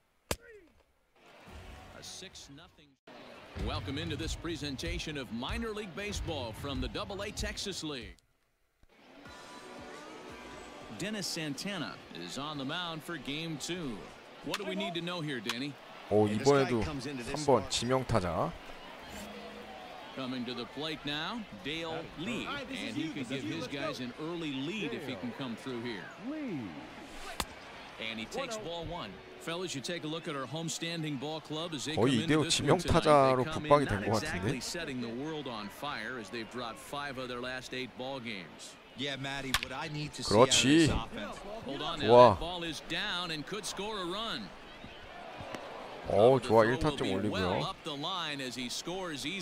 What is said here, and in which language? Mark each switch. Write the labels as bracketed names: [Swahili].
[English] A 6-0. Welcome into this presentation of Minor League Baseball from the AA Texas League. Dennis Santana is on the mound for game 2. What do we need to know here, Danny? [Korean] 오, 이번에도 3번 지명 타자. [English] Coming to the plate now, Dale Lee. And he can give his guys an early lead if he can come through here. And he takes ball 1. Fellas, you take a look at our home standing ball club as they come in. [Korean] 이대호 지명 타자로 붙박이 된 거 같은데. [English] Exactly setting the world on fire as they've dropped 5 of their last 8 ball games. Yeah, Maddie, what I need to see. [Korean] 그렇지. 좋아. [English] Ball is down and could score a run. [Korean] 오, 좋아. 1타점 올리고요. Well,